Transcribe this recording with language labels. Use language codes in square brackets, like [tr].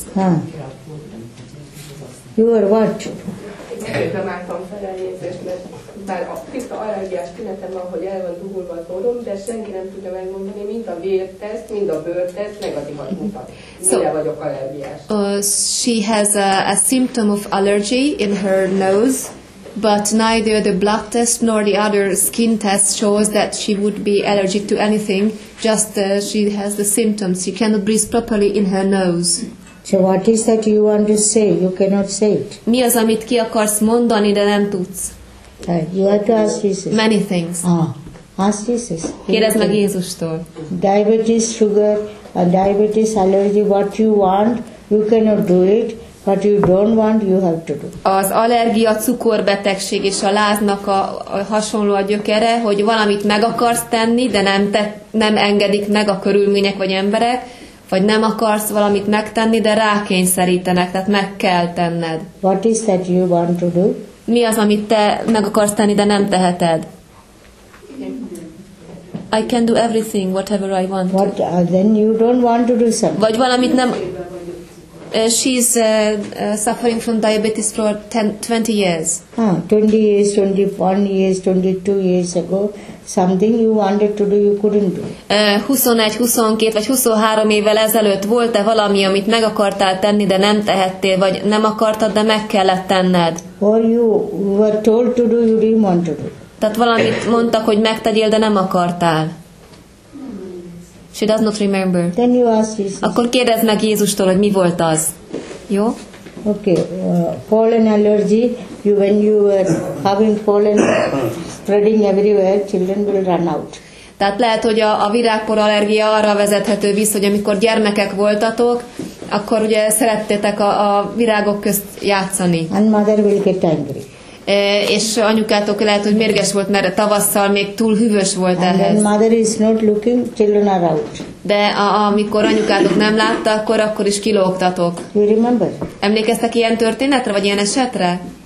[en] Huh. You are what? [hu] Előtte mártam felelézést, mert bár a tiszta allergiás tünetem, ahogy el van duhulva a tórom, de senki nem tudja megmondani, mind a vérteszt, mind a bőrteszt negatívat mutat. Mire vagyok allergiás? [en] She has a symptom of allergy in her nose, but neither the blood test nor the other skin test shows that she would be allergic to anything. Just she has the symptoms. She cannot breathe properly in her nose. So what is that you want to say? You cannot say it. [hu] Mi az, amit ki akarsz mondani, de nem tudsz? [en] You have to ask Jesus. Many things. Ask Jesus. [hu] Kérdezz meg Jézustól. [en] Diabetes, sugar, diabetes, allergy, what you want, you cannot do it. What you don't want, you have to do. [hu] Az allergia, cukorbetegség és a láznak a hasonló a gyökere, hogy valamit meg akarsz tenni, de nem engedik meg a körülmények vagy emberek, vagy nem akarsz valamit megtenni, de rákényszerítenek, tehát meg kell tenned. [en] What is that you want to do? [hu] Mi az, amit te meg akarsz tenni, de nem teheted? [en] I can do everything, whatever I want. What, then you don't want to do something. [hu] Vagy valamit nem... [en] She's suffering from diabetes for 20 years. 20 years, 21 years, 22 years ago, something you wanted to do, you couldn't do. [hu] 21, 22 vagy 23 évvel ezelőtt volt-e valami, amit meg akartál tenni, de nem tehettél, vagy nem akartad, de meg kellett tenned? [en] Or you were told to do, you didn't want to do. [hu] Tehát valamit mondtak, hogy megtegyél, de nem akartál. [en] She does not remember. Then you ask Jesus. [hu] Akkor kérdezd meg Jézustól, hogy mi volt az. Jó? [en] Okay. Pollen allergy. You, when you were having pollen spreading everywhere, children will run out. [hu] Tehát lehet, hogy a virágpor allergia arra vezethető vissza, hogy amikor gyermekek voltatok, akkor ugye szerettétek a virágok közt játszani. [en] And mother will get angry. [hu] És anyukátok lehet, hogy mérges volt, mert tavasszal még túl hűvös volt [en] and [hu] ehhez. [en] And mother is not looking, children are out. [hu] De amikor anyukátok nem látta, akkor is kilógtatok. [en] You remember? [hu] Emlékeztek ilyen történetre, vagy ilyen esetre?